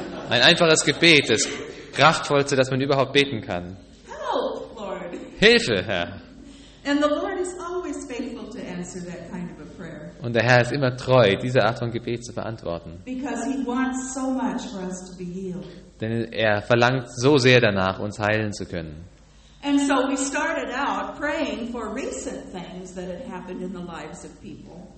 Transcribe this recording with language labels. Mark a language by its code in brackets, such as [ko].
[de] Ein einfaches Gebet, das kraftvollste, das man überhaupt beten kann. [en] Help, Lord. [de] Hilfe, Herr. [en] And the Lord is always faithful to answer that kind of a prayer. [de] Und der Herr ist immer treu, diese Art von Gebet zu beantworten. [en] Because he wants so much for us to be healed. [de] Denn er verlangt so sehr danach, uns heilen zu können. [en] And so we started out praying for recent things that had happened in the lives of people.